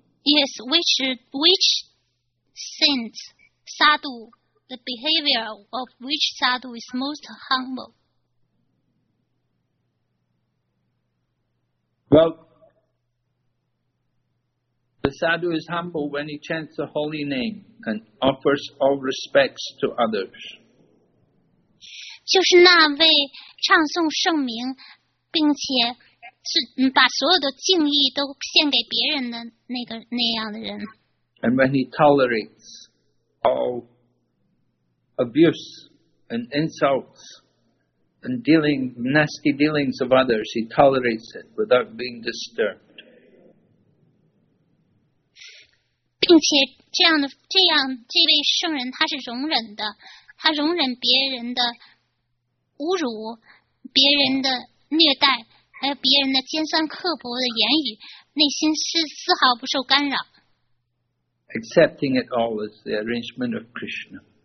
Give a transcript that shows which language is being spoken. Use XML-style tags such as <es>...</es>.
<en>Yes, which saint sadhu the behavior of which sadhu is most humble? Well, the sadhu is humble when he chants the holy name. And offers all respects to others.</en> <zh>就是那位唱诵圣名，并且是把所有的敬意都献给别人的那个那样的人。</zh> <en>And when he tolerates all abuse and insults and nasty dealings of others, he tolerates it without being disturbed.</en> <zh>并且。这样这位圣人他是容忍的，他容忍别人的侮辱，别人的虐待，还有别人的尖酸刻薄的言语，内心是丝毫不受干扰。</zh> <en>Accepting it all is the arrangement of Krishna.</en>